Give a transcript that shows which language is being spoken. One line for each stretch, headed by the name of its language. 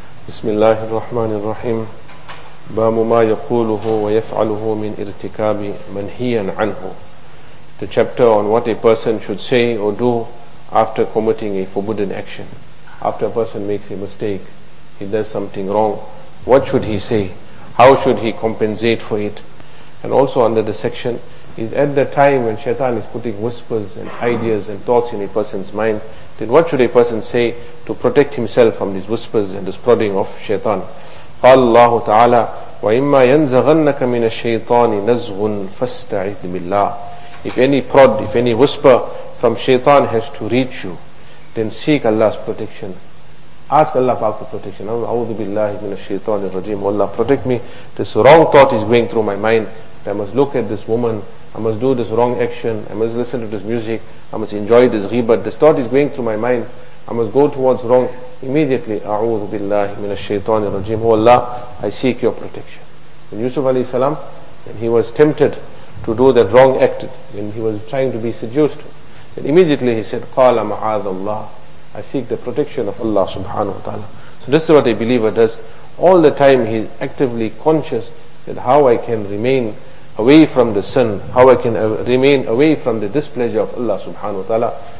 Arabic: بسم الله الرحمن الرحيم باب ما يقوله ويفعله من ارتكاب منهي عنه.
English: The chapter on what a person should say or do after committing a forbidden action. After a person makes a mistake, he does something wrong, what should he say? How should he compensate for it? And also under the section is at the time when shaitan is putting whispers and ideas and thoughts in a person's mind, then what should a person say to protect himself from these whispers and the prodding of shaitan?
Arabic: قال الله تعالى وَإِمَّا يَنْزَغَنَّكَ مِنَ الشَّيْطَانِ نَزْغٌ فَاسْتَعِذْ بِاللَّهِ.
English: If any prod, if any whisper from shaitan has to reach you, then seek Allah's protection. Ask Allah for protection.
Arabic: أَعُوذُ بِاللَّهِ مِنَ الشَّيْطَانِ الرَّجِيمِ.
English: Allah, protect me. This wrong thought is going through my mind. I must look at this woman, I must do this wrong action, I must listen to this music, I must enjoy this ghibat. This thought is going through my mind, I must go towards wrong.
Arabic: Immediately, أعوذ بالله من الشيطان الرجيم.
English: Oh Allah, I seek your protection. When Yusuf alayhi salam, when he was tempted to do that wrong act, when he was trying to be seduced, then immediately he said,
Arabic: قال معاذ الله,
English: I seek the protection of Allah subhanahu wa ta'ala. So this is what a believer does. All the time he is actively conscious that how I can remain away from the sin, how I can remain away from the displeasure of Allah subhanahu wa ta'ala.